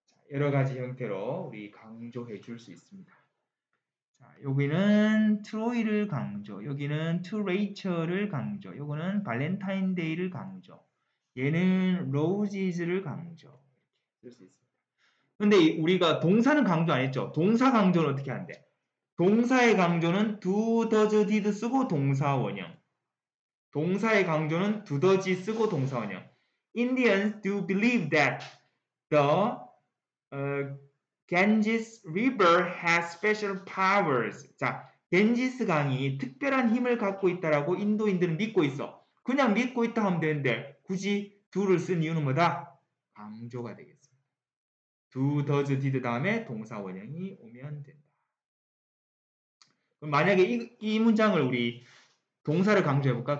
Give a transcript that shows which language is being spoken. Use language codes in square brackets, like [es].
[ko] 여러 가지 형태로 우리 강조해 줄수 있습니다. 자, 여기는 트로이를 강조, 여기는 투 레이처를 강조, 요거는 발렌타인데이를 강조, 얘는 로지즈를 강조. 이렇게 쓸수 있습니다. 근데 우리가 동사는 강조 안 했죠? 동사 강조는 어떻게 하는데? 동사의 강조는 두 더즈 디드 쓰고 동사 원형. 동사의 강조는 두 더지 쓰고 동사 원형. [en] Indians do believe that the Ganges River has special powers. [ko] 자, 갠지스 강이 특별한 힘을 갖고 있다라고 인도인들은 믿고 있어. 그냥 믿고 있다 하면 되는데 굳이 do를 쓴 이유는 뭐다? 강조가 되겠습니다. Do, does, did 다음에 동사 원형이 오면 된다. 그럼 만약에 이 문장을 우리 동사를 강조해 볼까?